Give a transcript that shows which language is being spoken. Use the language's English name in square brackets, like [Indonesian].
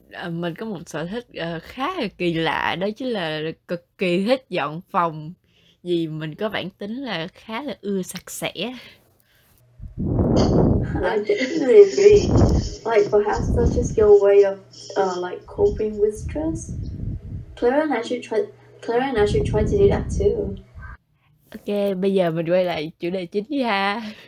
[Vietnamese] Mình có một sở thích khá là kỳ lạ, đó chính là cực kỳ thích dọn phòng, vì mình có bản tính là khá là ưa sạch sẽ. [English] I definitely agree. Like, perhaps that's just your way of like coping with stress. Clara and I should try to do that too. [Vietnamese] Ok, bây giờ mình quay lại chủ đề chính đi ha.